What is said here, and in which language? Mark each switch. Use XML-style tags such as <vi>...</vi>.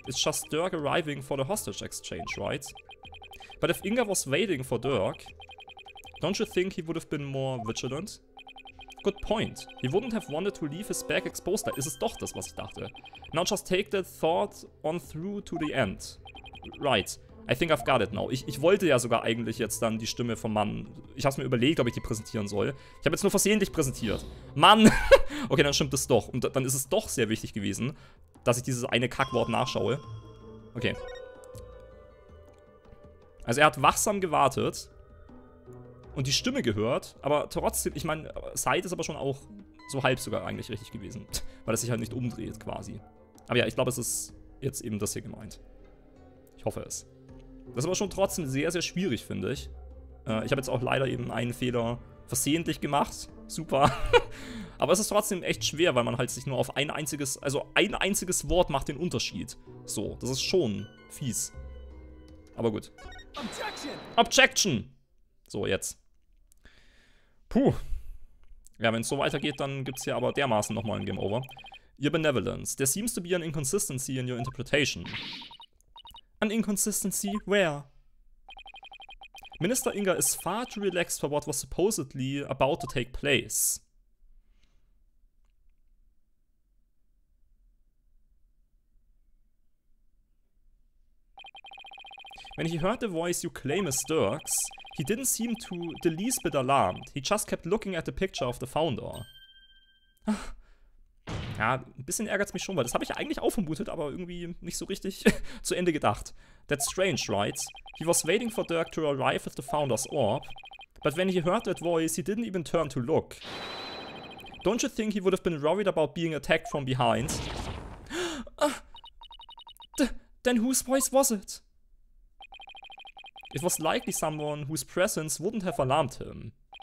<en>It's just Dirk arriving for the hostage exchange, right? But if Inga was waiting for Dirk, don't you think he would have been more vigilant? Good point. He wouldn't have wanted to leave his back exposed.</en> <de>Da ist es doch das, was ich dachte.</de> <en>Now just take that thought on through to the end. Right. I think I've got it now.</en> <de>Ich wollte ja sogar eigentlich jetzt dann die Stimme vom Mann. Ich hab's mir überlegt, ob ich die präsentieren soll. Ich habe jetzt nur versehentlich präsentiert. Mann! Okay, dann stimmt es doch. Und dann ist es doch sehr wichtig gewesen, dass ich dieses eine Kackwort nachschaue. Okay. Also er hat wachsam gewartet und die Stimme gehört, aber trotzdem, ich meine, Zeit ist aber schon auch so halb sogar eigentlich richtig gewesen. Weil es sich halt nicht umdreht quasi. Aber ja, ich glaube, es ist jetzt eben das hier gemeint. Ich hoffe es. Das ist aber schon trotzdem sehr, sehr schwierig, finde ich. Ich habe jetzt auch leider eben einen Fehler versehentlich gemacht. Super. Aber es ist trotzdem echt schwer, weil man halt sich nur auf ein einziges, also ein einziges Wort macht den Unterschied. So, das ist schon fies. Aber gut. Objection! So, jetzt. Puh. Ja, wenn es so weitergeht, dann gibt es hier aber dermaßen nochmal ein Game Over.</de> <en>Your benevolence. There seems to be an inconsistency in your interpretation. An inconsistency where? Minister Inga is far too relaxed for what was supposedly about to take place. When he heard the voice you claim is Dirk's, he didn't seem to the least bit alarmed. He just kept looking at the picture of the founder.</en> <de>Ja, ein bisschen ärgert es mich schon, weil das habe ich ja eigentlich auch vermutet, aber irgendwie nicht so richtig zu Ende gedacht.</de> <en>That's strange, right? He was waiting for Dirk to arrive at the Founder's Orb, but when he heard that voice, he didn't even turn to look. Don't you think he would have been worried about being attacked from behind? Then whose voice was it? It was likely someone whose presence wouldn't have alarmed him.</en>